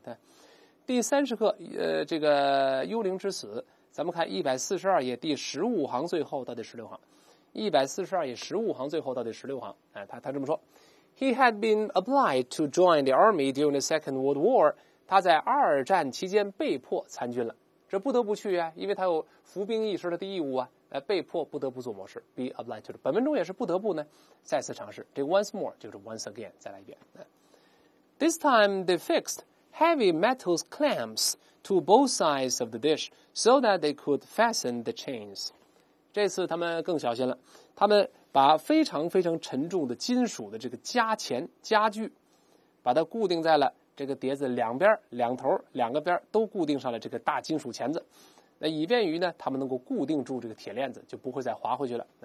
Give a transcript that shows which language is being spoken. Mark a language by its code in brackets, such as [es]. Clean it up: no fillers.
[zh] 对，第30课，这个幽灵之死，咱们看142页第15行最后到第16行，142页15行最后到第16行，他这么说 ： [en] He had been obliged to join the army during the Second World War。 [zh] 他在二战期间被迫参军了，这不得不去啊，因为他有服兵役是他的义务啊。被迫不得不做某事 ，be obliged to do。本文中也是不得不呢，再次尝试。这个 once more 就是 once again， 再来一遍。 [en] This time they fixed heavy metal clamps to both sides of the dish so that they could fasten the chains。 [zh] 这次他们更小心了，他们把非常非常沉重的金属的这个夹钳夹具，把它固定在了这个碟子两边、两头、两个边都固定上了这个大金属钳子。那以便于呢，他们能够固定住这个铁链子，就不会再滑回去了。